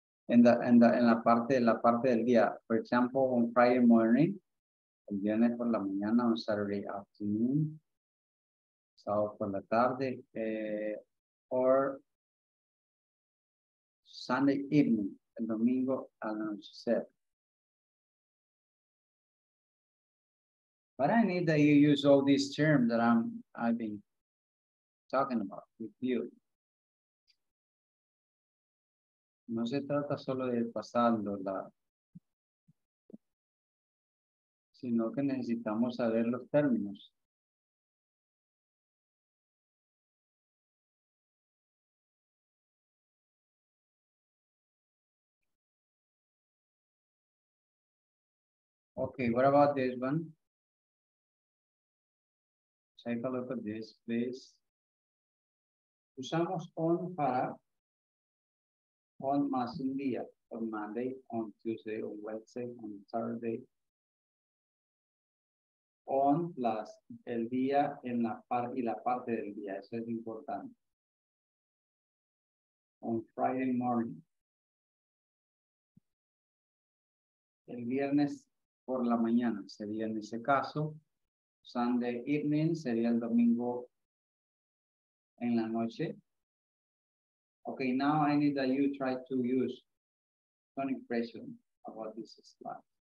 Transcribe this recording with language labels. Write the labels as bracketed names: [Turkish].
[Spanish] En la parte del día, [English] for example, on Friday morning, [Spanish] el viernes por la mañana, [English] on Saturday afternoon, [Spanish] sábado por la tarde, [English] or Sunday evening, [Spanish] el domingo al anochecer. [English] But I need that you use all these terms that I've been talking about with you. [Spanish] No se trata solo de pasarlo, sino que necesitamos saber los términos. [English] Okay, what about this one? Take a look at this, please. [Spanish] Usamos on para on más un día, [English] on Monday, on Tuesday, on Wednesday, on Saturday. [Spanish] On plus el día en la par y la parte del día, eso es importante. [English] On Friday morning. [Spanish] El viernes por la mañana sería en ese caso. [English] Sunday evening [Spanish] sería el domingo en la noche. [English] Okay, now I need that you try to use an impression about this slide.